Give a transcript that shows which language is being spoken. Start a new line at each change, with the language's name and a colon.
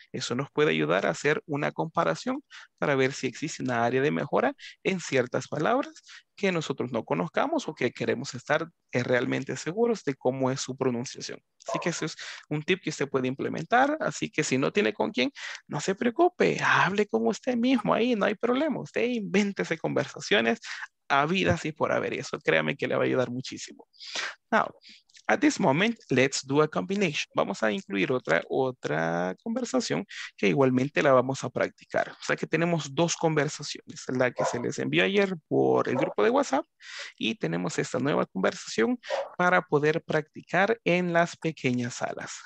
Spanish: Eso nos puede ayudar a hacer una comparación para ver si existe una área de mejora en ciertas palabras que nosotros no conozcamos o que queremos estar realmente seguros de cómo es su pronunciación. Así que ese es un tip que usted puede implementar. Así que si no tiene con quién, no se preocupe. Hable con usted mismo ahí, no hay problema. Usted invéntese conversaciones habidas y por haber. Y eso créame que le va a ayudar muchísimo.
English: Now, at this moment, let's do a combination.
Spanish: Vamos a incluir otra conversación que igualmente la vamos a practicar. O sea que tenemos dos conversaciones. La que se les envió ayer por el grupo de WhatsApp. Y tenemos esta nueva conversación para poder practicar en las pequeñas salas.